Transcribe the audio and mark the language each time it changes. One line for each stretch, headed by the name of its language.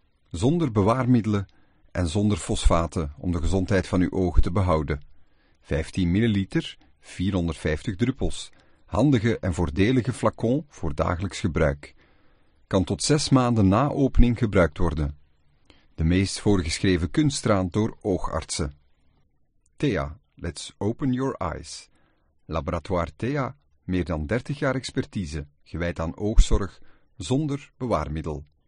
Dutch: Zonder bewaarmiddelen en zonder fosfaten om de gezondheid van uw ogen te behouden. 15 ml, 450 druppels. Handige en voordelige flacon voor dagelijks gebruik. Kan tot 6 maanden na opening gebruikt worden. De meest voorgeschreven kunstdraad door oogartsen.
English: Thea, let's open your eyes.
Dutch: Laboratoire Thea, meer dan 30 jaar expertise, gewijd aan oogzorg zonder bewaarmiddel.